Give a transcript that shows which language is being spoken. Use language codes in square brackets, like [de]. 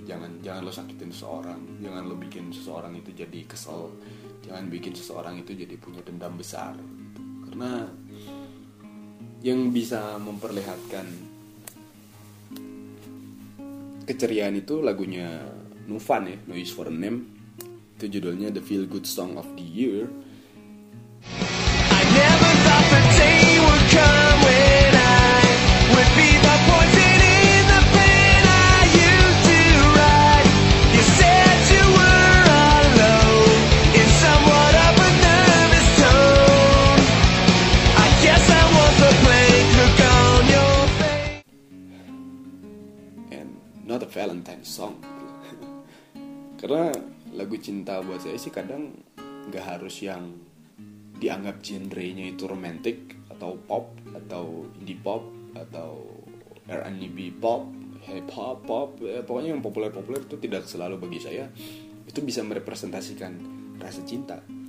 [id] Jangan lo sakitin seseorang, jangan lo bikin seseorang itu jadi kesel, jangan bikin seseorang itu jadi punya dendam besar gitu. Karena yang bisa memperlihatkan keceriaan itu lagunya Nufan ya, Noise for a Name. Itu judulnya The Feel Good Song of the Year. [en] I never thought the day would come when I would be the poison in the pen I used to write. You said you were alone in somewhat of a nervous tone. I guess I was a plague look on your face. And not a Valentine song. [id] Karena lagu cinta buat saya sih kadang gak harus yang dianggap genre-nya itu romantic atau pop atau indie pop atau R&B pop, hip hop pop, pokoknya yang populer-populer itu tidak selalu bagi saya itu bisa merepresentasikan rasa cinta.